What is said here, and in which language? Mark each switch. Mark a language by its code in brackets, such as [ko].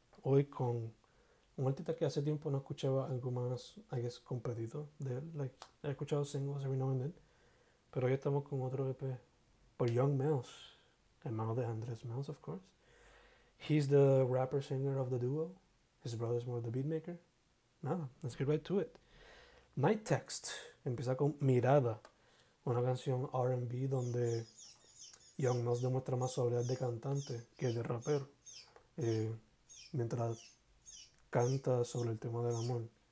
[es] Hoy con un artista que hace tiempo no escuchaba algo más, [en] I guess, [es] comprendido de él. [en] Like, [es] he escuchado singles [en] every now and then. [es] Pero hoy estamos con otro EP por Young Melz, hermano de Andrés Melz, [en] of course. He's the rapper singer of the duo. His brother's more the beatmaker. [es] Nada, [en] let's get right to it. [es] Night Text, empieza con Mirada, una canción R&B donde Young Melz demuestra más su habilidad de cantante que de rapero, mientras canta sobre el tema del amor.